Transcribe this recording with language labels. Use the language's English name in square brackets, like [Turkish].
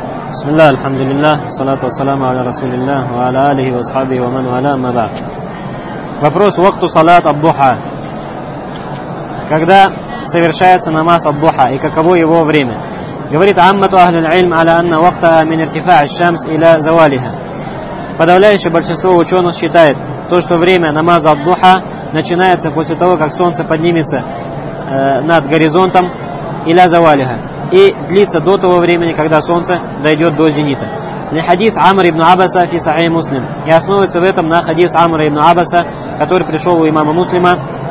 [Arabic] بسم الله الحمد لله والصلاة والسلام على رسول الله وعلى آله وصحبه ومن والاه ما بعد. [Russian] Вопрос: [Arabic] وقت صلاة الضحى. [Russian] Когда совершается намаз الضحى и каково его время? Говорит [Arabic] عامة أهل العلم على أن وقتها من ارتفاع الشمس إلى زوالها. [Russian] Подавляющее большинство ученых считает то, что время намаза الضحى начинается после того, как солнце поднимется над горизонтом [Arabic] إلى زوالها. [Russian] И длится до того времени, когда солнце дойдет до зенита. [Arabic] Ли хадис Амр ибн Аббаса фи сахи муслим. [Russian] И основывается в этом на хадис Амра ибн Аббаса, который пришел у имама муслима.